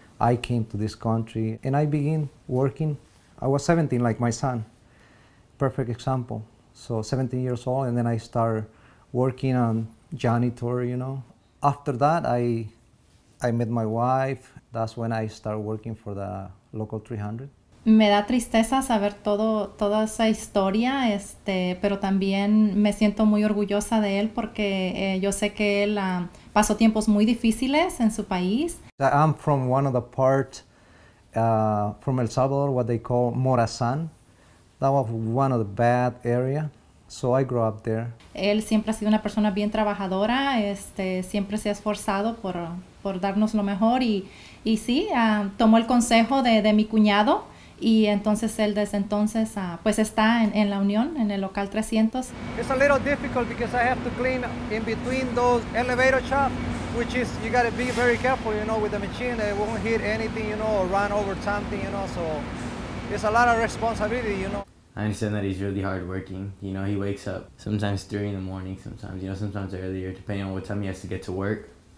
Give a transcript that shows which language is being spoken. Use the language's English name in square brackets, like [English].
[English] I came to this country and I began working. I was 17, like my son. Perfect example. So 17 years old, and then I start working on janitor, you know. After that, I met my wife. That's when I start working for the local 300. [Spanish] Me da tristeza saber toda esa historia, pero también me siento muy orgullosa de él porque yo sé que él pasó tiempos muy difíciles en su país. [English] I'm from one of the parts from El Salvador, what they call Morazán. That was one of the bad area, so I grew up there. [Spanish] Él siempre ha sido una persona bien trabajadora, siempre se ha esforzado por darnos lo mejor y sí, tomó el consejo de mi cuñado y entonces él desde entonces pues está en la Unión, en el local 300. [English] It's a little difficult because I have to clean in between those elevator shafts, which is, you gotta be very careful, you know, with the machine, it won't hit anything, you know, or run over something, you know, so. It's a lot of responsibility, you know. I understand that he's really hardworking. You know, he wakes up sometimes 3 a.m, sometimes earlier, depending on what time he has to get to work.